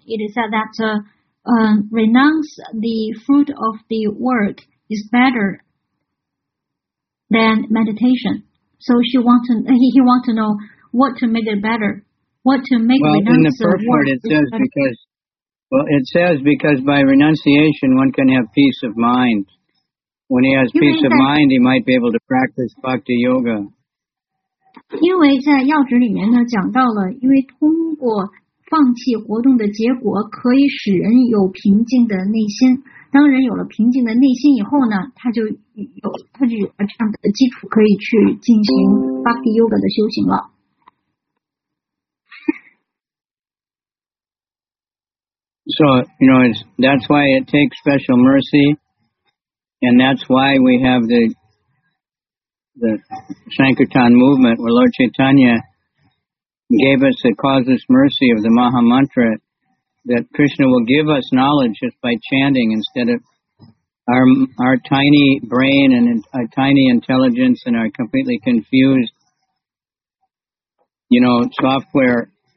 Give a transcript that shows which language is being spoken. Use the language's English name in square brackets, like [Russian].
[English] It is said that renounce the fruit of the work is better than meditation. So he wants to know what to make it better, what to make renounce the work. Well, in the purport, it says because by renunciation one can have peace of mind. When he has peace of mind, he might be able to practice bhakti yoga. [Chinese] 因为在要旨里面呢讲到了，因为通过放弃活动的结果可以使人有平静的内心，当人有了平静的内心以后呢，他就有了这样的基础可以去进行 Bhakti Yoga 的修行了。 [English] So, you know, that's why it takes special mercy, and that's why we have the Sankirtan movement, where Lord Chaitanya gave us the causeless mercy of the Maha Mantra, that Krishna will give us knowledge just by chanting instead of our tiny brain and our tiny intelligence and our completely confused, you know, software.